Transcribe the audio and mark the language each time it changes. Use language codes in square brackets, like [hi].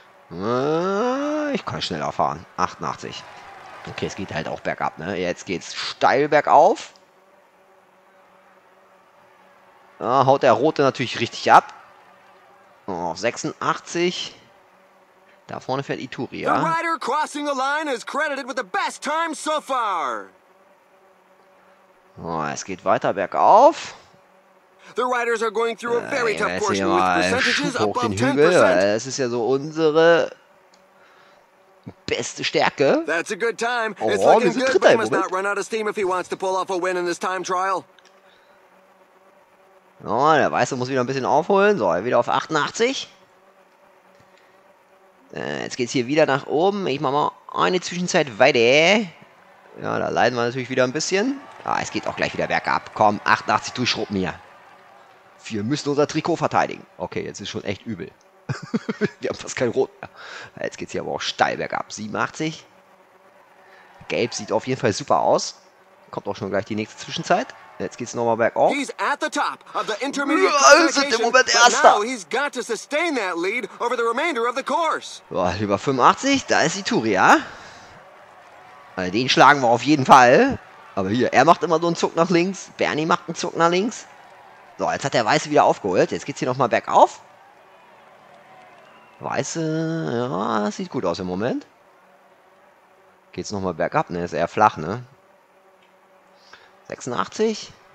[de] Ich kann schneller fahren. 88. Okay, es geht halt auch bergab, ne? Jetzt geht's steil bergauf. Ah, haut der Rote natürlich richtig ab. Oh, 86. Da vorne fährt Ituria. [en] The rider crossing the line is credited with the best time so far. [de] Oh, es geht weiter bergauf. [en] The riders are going through a very tough portion with percentages above 10%. [de] Das ist ja so unsere beste Stärke. [en] That's a good time. It's looking good, but he must not run out of steam if he wants to pull off a win in this time trial. [de] Oh, der Weiße muss wieder ein bisschen aufholen. So, wieder auf 88. Jetzt geht's hier wieder nach oben. Ich mach mal eine Zwischenzeit weiter. Ja, da leiden wir natürlich wieder ein bisschen. Ah, es geht auch gleich wieder bergab. Komm, 88, du Schrupp mir. Wir müssen unser Trikot verteidigen. Okay, jetzt ist schon echt übel. Wir haben fast kein Rot mehr. Jetzt geht es hier aber auch steil bergab. 87. Gelb sieht auf jeden Fall super aus. Kommt auch schon gleich die nächste Zwischenzeit. Jetzt geht es nochmal bergauf. [en] He's at the top of the intermediate classification, but now he's got to sustain that lead over the remainder of the course. [de] Boah, über 85, da ist Ituria. Also den schlagen wir auf jeden Fall. Aber hier, er macht immer so einen Zug nach links. Bernie macht einen Zug nach links. So, jetzt hat der Weiße wieder aufgeholt. Jetzt geht's hier nochmal bergauf. Weiße, ja, das sieht gut aus im Moment. Geht's nochmal bergab, ne? Ist eher flach, ne? 86.